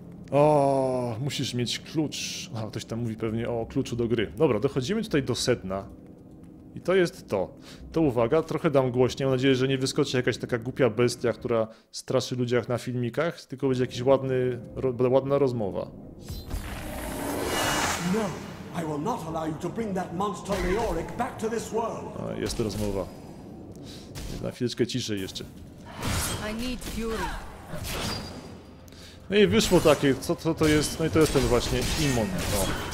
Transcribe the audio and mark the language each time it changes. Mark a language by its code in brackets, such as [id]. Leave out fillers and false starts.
[pl] O, musisz mieć klucz. O, ktoś tam mówi pewnie o kluczu do gry. Dobra, dochodzimy tutaj do sedna. I to jest to. To uwaga, trochę dam głośniej. Mam nadzieję, że nie wyskoczy jakaś taka głupia bestia, która straszy ludziach na filmikach, tylko będzie jakiś ładny, ładna rozmowa. [en] No, I will not allow you to bring that monster Leoric back to this world. [pl] A, jest to rozmowa. Na chwileczkę ciszej jeszcze. [en] I need fury. [pl] No i wyszło takie, co to jest? No i to jest ten właśnie Imon. O.